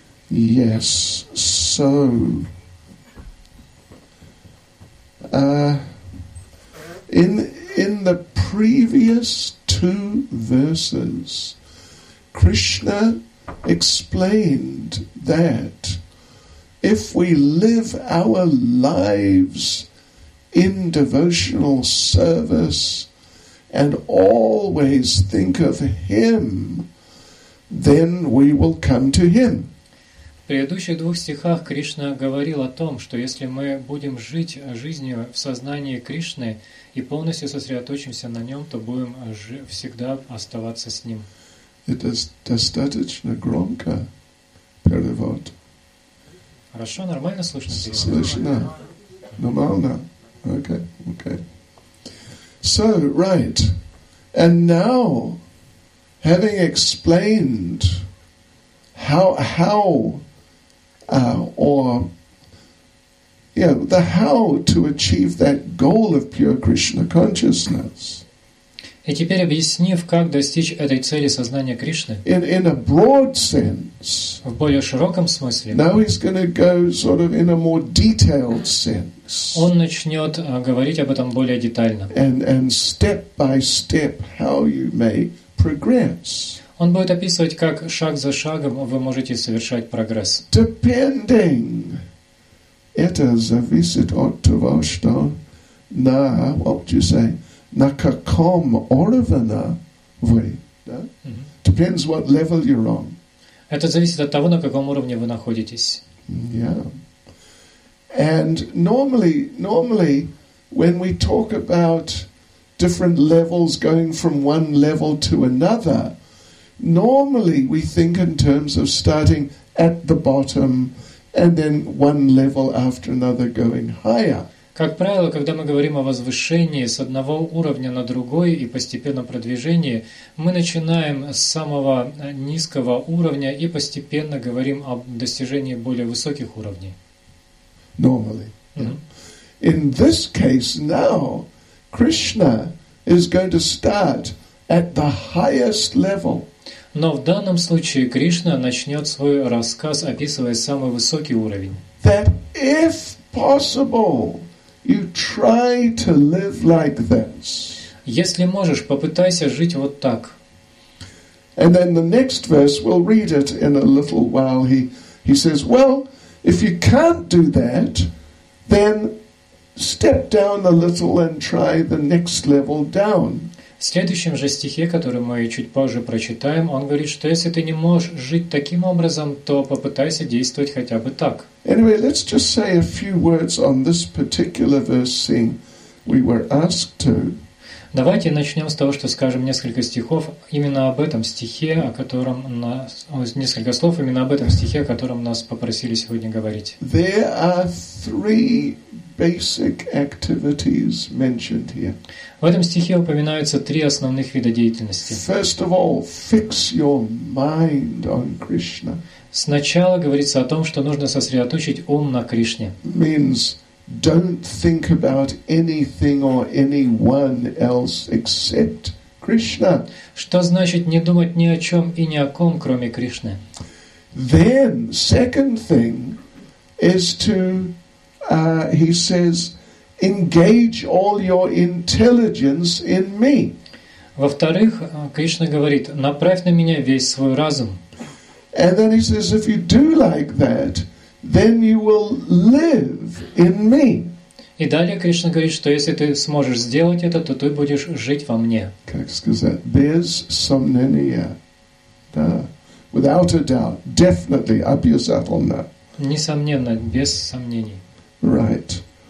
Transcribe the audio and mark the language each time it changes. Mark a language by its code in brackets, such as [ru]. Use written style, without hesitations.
[en] Yes, so in the previous two verses, Krishna explained that if we live our lives in devotional service and always think of Him, then we will come to Him. [ru] В предыдущих двух стихах Кришна говорил о том, что если мы будем жить жизнью в сознании Кришны и полностью сосредоточимся на Нем, то будем всегда оставаться с Ним. Это достаточно громко перевод. Хорошо, нормально слышно? Слышно. Нормально. [en] Okay. So, right. And now, having explained how to achieve that goal of pure Krishna consciousness. [ru] И теперь объяснив, как достичь этой цели сознания Кришны. [en] In a broad sense. [ru] В более широком смысле. [en] Now he's going to go sort of in a more detailed sense. [ru] Он начнет говорить об этом более детально. [en] And step by step how you may progress. [ru] Он будет описывать, как шаг за шагом вы можете совершать прогресс. [en] Depending, [ru] это зависит от того, что на, [en] what would you say, [ru] на каком уровне вы, да? [en] Depends what level you're on. [ru] Это зависит от того, на каком уровне вы находитесь. [en] Yeah. And normally, when we talk about different levels going from one level to another, normally we think in terms of starting at the bottom and then one level after another going higher. [ru] Как правило, когда мы говорим о возвышении с одного уровня на другой и постепенном продвижении, мы начинаем с самого низкого уровня и постепенно говорим о достижении более высоких уровней. [en] Normally. In this case now, Krishna is going to start at the highest level. [ru] Но в данном случае Кришна начнет свой рассказ, описывая самый высокий уровень. [en] That if possible, you try to live like this. [ru] Если можешь, попытайся жить вот так. [en] And then the next verse, we'll read it in a little while. He says, well, if you can't do that, then step down a little and try the next level down. [ru] В следующем же стихе, который мы чуть позже прочитаем, он говорит, что если ты не можешь жить таким образом, то попытайся действовать хотя бы так. [en] Anyway, let's just say a few words on this particular verse thing we were asked to. [ru] Давайте начнем с того, что скажем несколько стихов именно об этом стихе, о котором нас, несколько слов именно об этом стихе, о котором нас попросили сегодня говорить. [en] There are three basic activities mentioned here. [ru] В этом стихе упоминаются три основных вида деятельности. [en] First of all, fix your mind on Krishna. [ru] Сначала говорится о том, что нужно сосредоточить ум на Кришне. [en] Means don't think about anything or anyone else except Krishna. [ru] Что значит не думать ни о чем и ни о ком, кроме Кришны? [en] Then second thing is to he says engage all your intelligence in me. [ru] Во-вторых, Кришна говорит: направь на меня весь свой разум. [en] And then he says if you do like that, then you will live in me. [ru] И далее Кришна говорит, что если ты сможешь сделать это, то ты будешь жить во мне. Как сказать? Без сомнения. Да. [en] Without a doubt. Definitely. Up yourself on that. [ru] Несомненно. Без сомнений. [en] Right.